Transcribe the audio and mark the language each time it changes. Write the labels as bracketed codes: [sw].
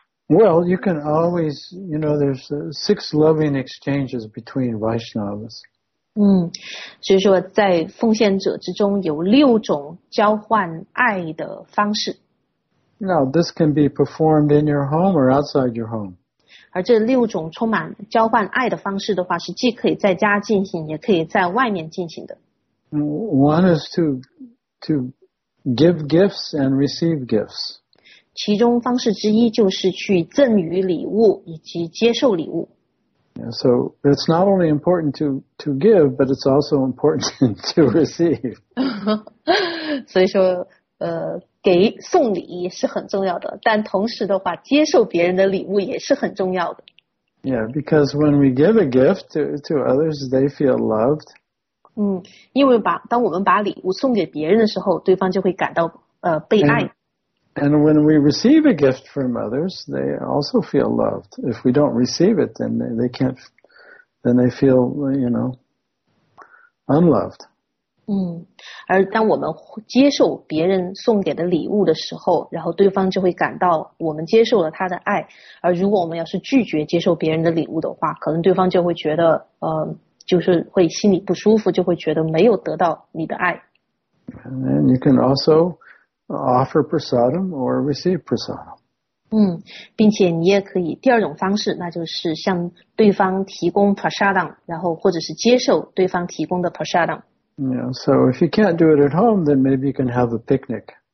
[en] Well, you can always, there's six loving exchanges between Vaishnavas. [zh] 所以说在奉献者之中有六种交换爱的方式。 [en] Now, this can be performed in your home or outside your home. [zh] 而这六种充满交换爱的方式的话是既可以在家进行也可以在外面进行的。 [en] One is to give gifts and receive gifts. [zh] 其中方式之一就是去赠予礼物以及接受礼物。 [en] Yeah, so it's not only important to give, but it's also important to receive. [zh] 所以说给送礼也是很重要的但同时的话接受别人的礼物也是很重要的 [en] Yeah, because when we give a gift to others, they feel loved. [zh] 因为当我们把礼物送给别人的时候对方就会感到被爱 [en] and when we receive a gift from others, they also feel loved. If we don't receive it, then they feel, unloved. [zh] 而当我们接受别人送给的礼物的时候然后对方就会感到我们接受了他的爱而如果我们要是拒绝接受别人的礼物的话可能对方就会觉得就是会心里不舒服就会觉得没有得到你的爱 [en] And then you can also offer prasadam or receive prasadam [zh] 并且你也可以第二种方式那就是向对方提供 prasadam 然后或者是接受对方提供的 prasadam [en] Yeah, so if you can't do it at home, then maybe you can have a picnic.